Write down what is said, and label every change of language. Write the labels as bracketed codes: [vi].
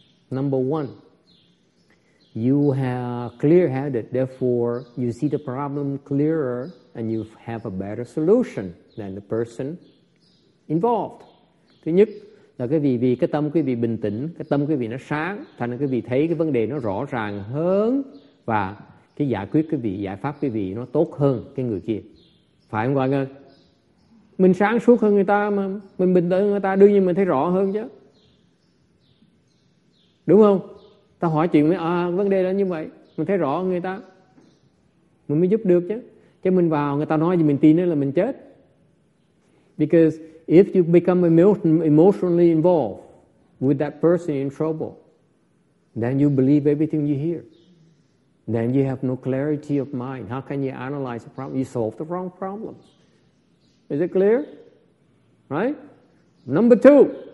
[en] Number one, you have clear-headed, therefore you see the problem clearer and you have a better solution than the person involved. [vi] Thứ nhất là cái vì cái tâm quý vị bình tĩnh, cái tâm quý vị nó sáng, thành ra quý vị thấy cái vấn đề nó rõ ràng hơn và cái giải quyết quý vị, giải pháp quý vị nó tốt hơn cái người kia. Phải không, Hoàng ơi? Mình sáng suốt hơn người ta mà, mình bình tĩnh hơn người ta, đương nhiên mình thấy rõ hơn chứ. Đúng không? Ta hỏi chuyện mới, vấn đề là như vậy, mình thấy rõ hơn người ta, mình mới giúp được chứ. Chứ mình vào, người ta nói gì mình tin là mình chết. [en] Because if you become emotionally involved with that person in trouble, then you believe everything you hear. Then you have no clarity of mind. How can you analyze a problem? You solve the wrong problems. Is it clear? Right? Number two.